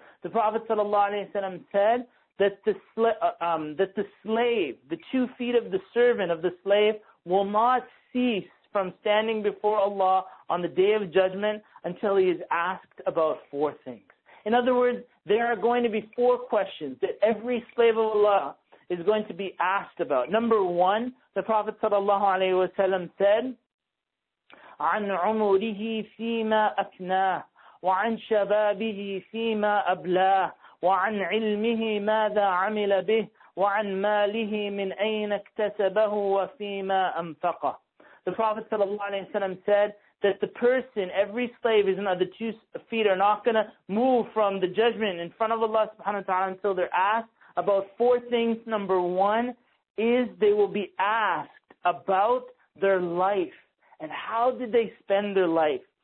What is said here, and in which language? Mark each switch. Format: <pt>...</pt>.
<en>The Prophet sallallahu alayhi wa sallam said, that the slave, the 2 feet of the servant, of the slave, will not cease from standing before Allah on the day of judgment until he is asked about 4 things. In other words, there are going to be 4 questions that every slave of Allah is going to be asked about. Number one, the Prophet sallallahu alaihi wasallam said,</en> <ar>عَنْ عُمُرِهِ فِيمَا أَكْنَاهِ وَعَنْ شَبَابِهِ فِيمَا أَبْلَاهِ وَعَنْ عِلْمِهِ مَاذَا عَمِلَ بِهِ وَعَنْ مَالِهِ مِنْ أَيْنَ اكْتَسَبَهُ وَفِيمَا أَنْفَقَهُ.</ar> <en>The Prophet ﷺ said that the person, every slave, is not, the 2 feet are not going to move from the judgment in front of Allah subhanahu wa ta'ala until they're asked about 4 things. Number one is they will be asked about their life and how did they spend their life.</en>